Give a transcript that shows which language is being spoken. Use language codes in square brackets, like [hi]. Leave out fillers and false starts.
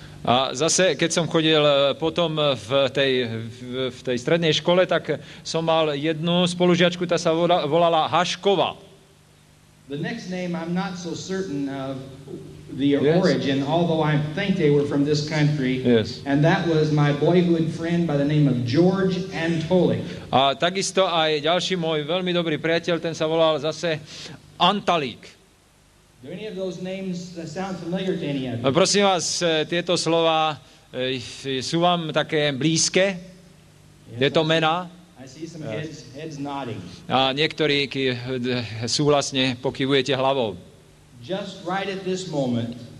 [sk] A zase, keď som chodil potom v tej strednej škole, tak som mal jednu spolužiačku, tá sa volala Haškova. [en] The next name I'm not so certain of the origin, yes, although I think they were from this country. Yes. And that was my boyhood friend by the name of George Antolik. [sk] A takisto aj ďalší môj veľmi dobrý priateľ, ten sa volal zase Antalík. [en] Do any of those names sound familiar to any of you? [sk] Prosím vás, tieto slova sú vám také blízke? Yes, tieto mená? [en] I see some heads nodding. [sk] A niektorí súhlasne pokyvujete hlavou. [en] Just right at this moment,